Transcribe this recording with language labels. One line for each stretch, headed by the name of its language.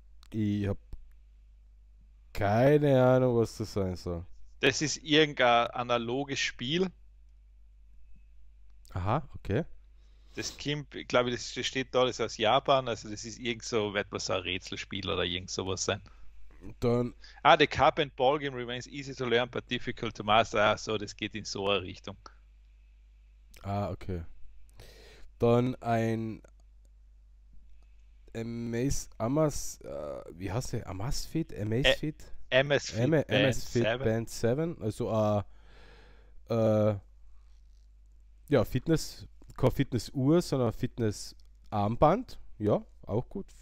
German: Ich habe keine Ahnung, was das sein soll. Das ist irgendein analoges Spiel. Aha, okay. Das Kimp, ich glaube, das steht da, das ist aus Japan, also das ist irgend so etwas, ein Rätselspiel oder irgend sowas sein. Dann.
English: Ah, the Cup and Ball Game remains easy to learn, but difficult to master.
German: Ah, so, das geht in so eine Richtung. Ah, okay. Dann ein wie heißt der? Amazfit? MSV Band MSFit 7. Band 7, also ja, Fitness, kein Fitnessuhr, sondern Fitness Armband, ja, auch gut.